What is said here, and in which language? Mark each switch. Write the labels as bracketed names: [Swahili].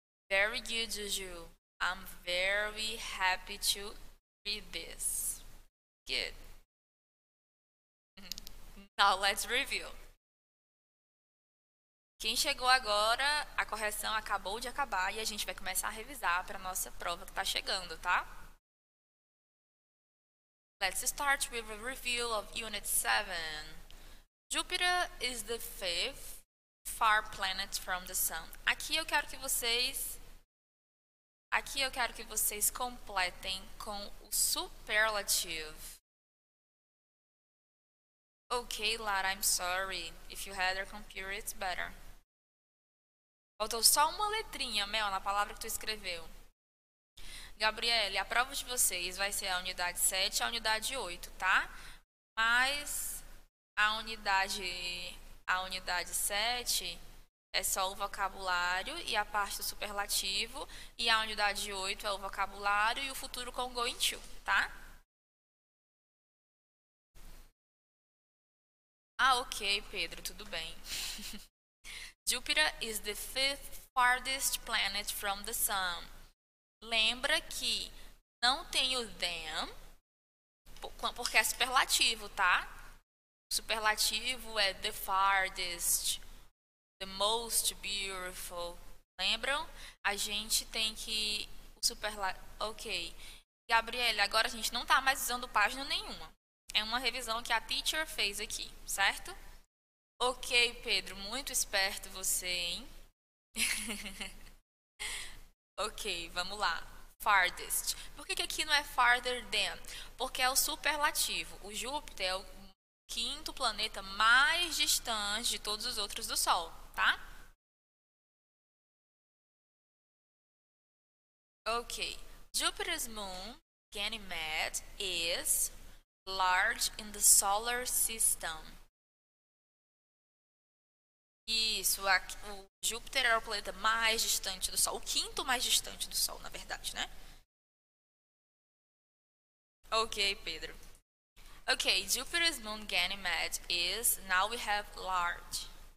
[English] Very good, Juju. I'm very happy to read this. Good. Now let's review. [Portuguese] Quem chegou agora, a correção acabou de acabar e a gente vai começar a revisar para a nossa prova que está chegando, tá? [English] Let's start with a review of Unit 7. Jupiter is the fifth Far Planet from the Sun. [Portuguese] Aqui eu quero que vocês completem com o superlative. [English] Okay, Lara, I'm sorry. If you had a computer, it's better. [Portuguese] Faltou só uma letrinha, Mel, na palavra que tu escreveu. Gabriele, a prova de vocês vai ser a unidade 7 e a unidade 8, tá? Mas a unidade 7 é só o vocabulário e a parte do superlativo. E a unidade 8 é o vocabulário e o futuro com going to, tá? Ah, ok, Pedro, tudo bem. [English] Jupiter is the fifth farthest planet from the sun. [Portuguese] Lembra que não tem o them, porque é superlativo, tá? Superlativo é [English] the farthest, the most beautiful. [Portuguese] Lembram? A gente tem que... Ok. Gabriele, agora a gente não tá mais usando página nenhuma. É uma revisão que a teacher fez aqui, certo? Ok, Pedro, muito esperto você, hein? Ok, vamos lá. Farthest. Por que que aqui não é [English] farther than? [Portuguese] Porque é o superlativo. O Júpiter é o quinto planeta mais distante de todos os outros do Sol, tá? Ok. [English] Júpiter's moon, Ganymede, is large in the solar system. [Portuguese] Isso, o Júpiter é o planeta mais distante do Sol, o quinto mais distante do Sol, na verdade, né? [English] Ok, Pedro. Ok, Jupiter's moon Ganymede is, now we have large.